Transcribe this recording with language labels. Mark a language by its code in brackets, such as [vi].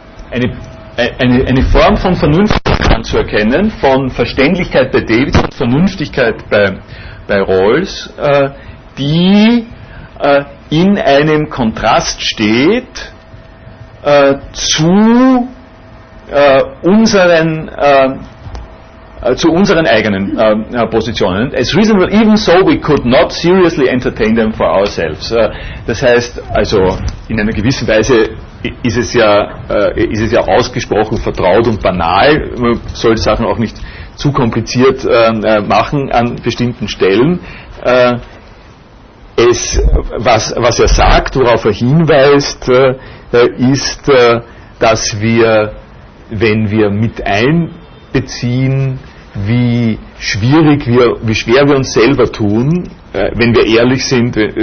[de] eine Form von Vernünftigkeit anzuerkennen, von Verständlichkeit bei Davis und Vernünftigkeit bei Rawls, die in einem Kontrast steht zu unseren eigenen Positionen. [en] As reasonable, even so, we could not seriously entertain them for ourselves. [de] Das heißt, also in einer gewissen Weise ist es ja ausgesprochen vertraut und banal. Man soll die Sachen auch nicht zu kompliziert machen an bestimmten Stellen. Es, was er sagt, worauf er hinweist, ist, dass wir, wenn wir mit einbeziehen, wie schwer wir uns selber tun, wenn wir ehrlich sind,